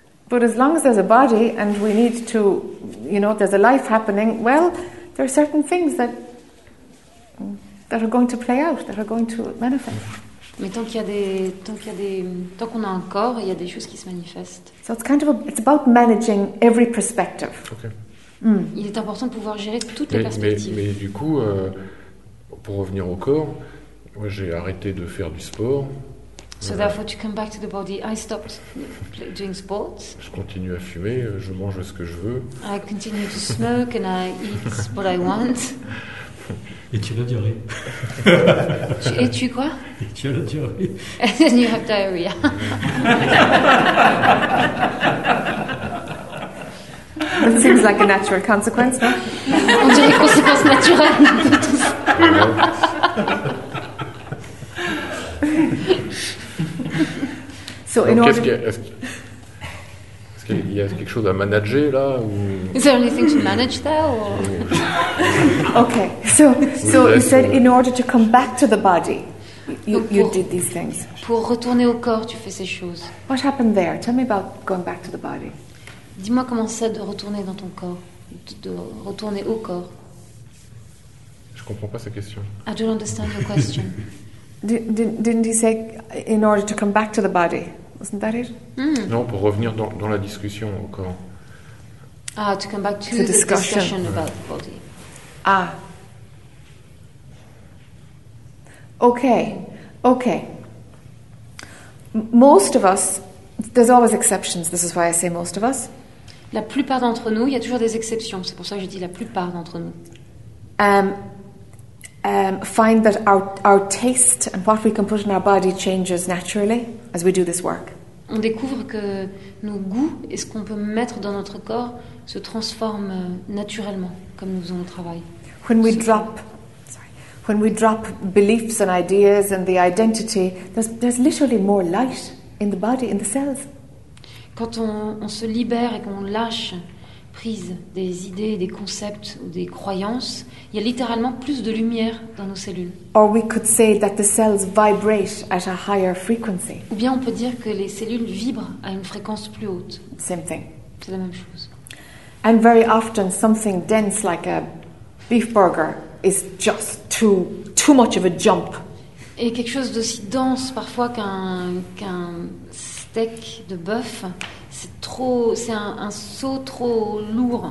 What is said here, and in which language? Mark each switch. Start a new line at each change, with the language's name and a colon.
English: But as long as there's a body and we need to, you know, there's a life happening, well, there are certain things that are going to play out, that are going to manifest.
French: Mais tant qu'il y a des, tant qu'on a un corps, il y a des choses qui se manifestent.
English: So it's kind of it's about managing every perspective. Okay. Mm.
French: Il est important de pouvoir gérer toutes les perspectives. Mais du coup, pour revenir au corps, moi j'ai arrêté de faire du sport.
English: So therefore, to come back to the body, I stopped doing sports.
French: Je continue à fumer, je mange ce que je veux.
English: I continue to smoke and I eat what I want.
French: Et tu as la diarrhée. Et tu quoi? Et tu as la diarrhée.
English: And then you have diarrhea. That seems like a natural consequence, non?
French: On dirait conséquence naturelle.
English: So in order,
French: est-ce qu'il y a quelque chose à manager là ou...
English: Is there anything to manage there? Or... Okay, so you said in order to come back to the body, you did these things.
French: Pour retourner au corps, tu fais ces choses.
English: What happened there? Tell me about going back to the body.
French: Dis-moi comment c'est de retourner dans ton corps, de retourner au corps. Je comprends pas sa question.
English: I don't understand your question. Didn't he say in order to come back to the body? Wasn't that it? Mm.
French: Non, pour revenir dans la discussion au corps.
English: Ah, to come back to the discussion about the body. Ah. Okay. Most of us, there's always exceptions, this is why I say most of us.
French: La plupart d'entre nous, il y a toujours des exceptions, c'est pour ça que je dis la plupart d'entre nous.
English: Find that our taste and what we can put in our body changes naturally as we do this work.
French: On découvre que nos goûts et ce qu'on peut mettre dans notre corps se transforment naturellement comme nous faisons le travail.
English: When we drop beliefs and ideas and the identity, there's literally more light in the body, in the cells.
French: Quand on se libère et qu'on lâche prise des idées, des concepts ou des croyances, il y a littéralement plus de lumière dans nos cellules.
English: Or we could say that the cells vibrate at a higher frequency.
French: Ou bien on peut dire que les cellules vibrent à une fréquence plus haute.
English: Same thing.
French: C'est la même chose.
English: And very often something dense like a beef burger is just too much of a jump.
French: Et quelque chose d'aussi dense parfois qu'un steak de bœuf, c'est un saut trop lourd.